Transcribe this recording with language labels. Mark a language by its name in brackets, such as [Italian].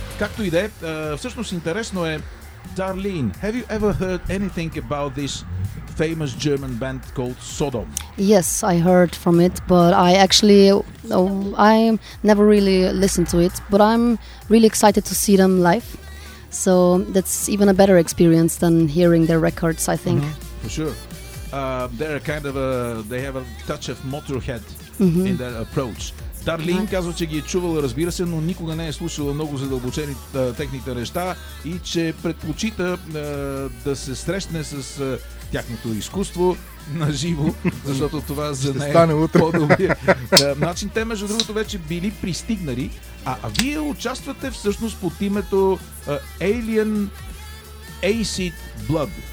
[Bulgarian] Както и да е, всъщност интересно е... [English] Darlene, have you ever heard anything about this famous German band called Sodom? Yes, I heard from it, but I actually, I never really listened to it, but I'm really excited to see them live. So that's even a better experience than hearing their records, I think. Mm-hmm. For sure. They're kind of a, they have a touch of Motorhead mm-hmm. in their approach. [Bulgarian] Darlene казва, че ги е чувала, разбира се, но никога не е слушала много задълбочени техните неща и че предпочита да се срещне с тяхното изкуство на живо, защото това за нея е по-добрия. Значи те, между другото, вече били пристигнали, а вие участвате всъщност под името Alien Acid Blood.